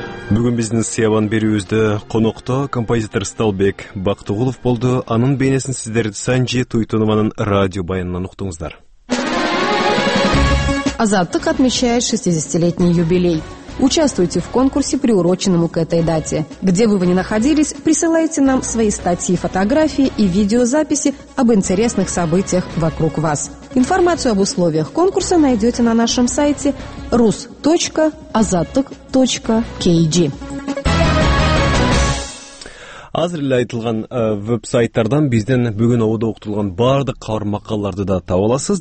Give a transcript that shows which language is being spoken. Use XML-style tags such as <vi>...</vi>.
<ky>Бүгүн биздин сыябан берүүбүздө конокто композитор Сталбек Бактыгулов болду. Анын бейнесин сиздер Санжи Туйтунованын радио баянынан уктуңуздар.</ky> <ru>Азаттык отмечает 60-летний юбилей. Участвуйте в конкурсе, приуроченному к этой дате. Где бы вы ни находились, присылайте нам свои статьи, фотографии и видеозаписи об интересных событиях вокруг вас. Информацию об условиях конкурса найдете на нашем сайте rus.azatok.kg.</ru> <ky>Азыр эле айтылган вебсайттардан бизден бүгүн ободо окутулган баардык кабар макалаларды да таба аласыз.</ky>